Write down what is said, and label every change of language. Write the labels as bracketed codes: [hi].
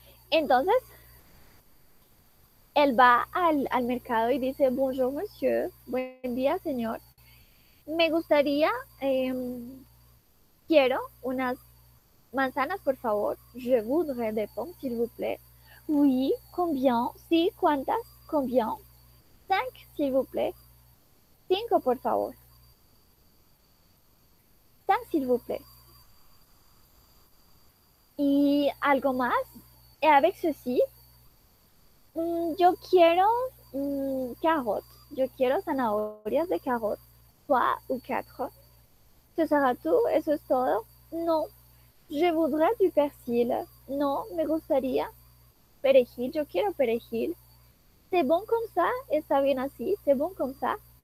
[es] Entonces, él va al mercado y dice, [fr] bonjour monsieur, [es] buen día señor. Me gustaría, quiero unas manzanas, por favor. [fr] Je voudrais des pommes, s'il vous plaît. Oui, combien? [es] Sí, ¿cuántas? [fr] Combien? Cinq, s'il vous plaît. [es] Cinco, por favor. [fr] Cinq, s'il vous plaît. [es] Y algo más. Y [fr] avec ceci, [es] yo quiero carottes. Yo quiero zanahorias de carottes. [fr] Trois ou quatre. Ce sera tout? [es] Eso es todo? [fr] Non. Je voudrais du persil. Non, [es] me gustaría. Perejil, yo quiero perejil. [fr] C'est bon comme ça? [es] Está bien así? [fr] C'est bon comme ça?